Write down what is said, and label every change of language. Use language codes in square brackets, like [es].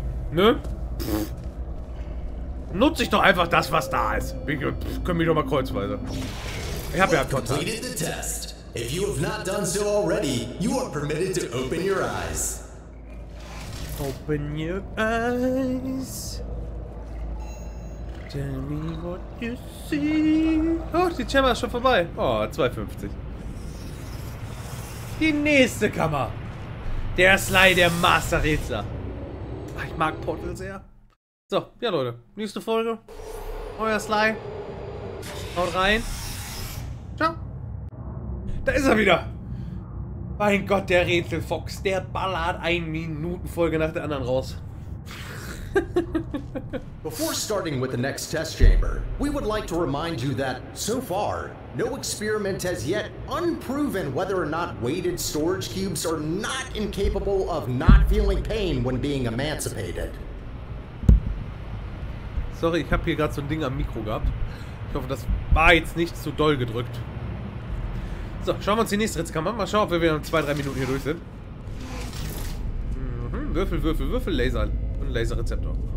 [de] Ne? Nutze ich doch einfach das, was da ist. Ich, können mich doch mal kreuzweise. Ich hab ja Kontakt. [en] If you have not done so already, you are permitted to open your eyes. Open your eyes. Tell me what you see. [de] Oh, die Chamber ist schon vorbei. Oh, 2,50. Die nächste Kammer. Der Sly, der Master-Rätsler. Ich mag Portal sehr. So, ja Leute, nächste Folge. Euer Sly. Haut rein. Ciao. Da ist er wieder. Mein Gott, der Rätselfox, der ballert eine Minutenfolge nach der anderen raus. [en] Before starting with the next test chamber, we would like to remind you that, so far, no experiment has yet unproven whether or not weighted storage cubes are not incapable of not feeling pain when being emancipated. [de] Sorry, ich habe hier gerade so ein Ding am Mikro gehabt. Ich hoffe, das war jetzt nicht zu doll gedrückt. So, schauen wir uns die nächste Ritzkammer an. Mal schauen, ob wir in 2-3 Minuten hier durch sind. Mhm, Würfel, Würfel, Würfel, Laser und Laserrezeptor.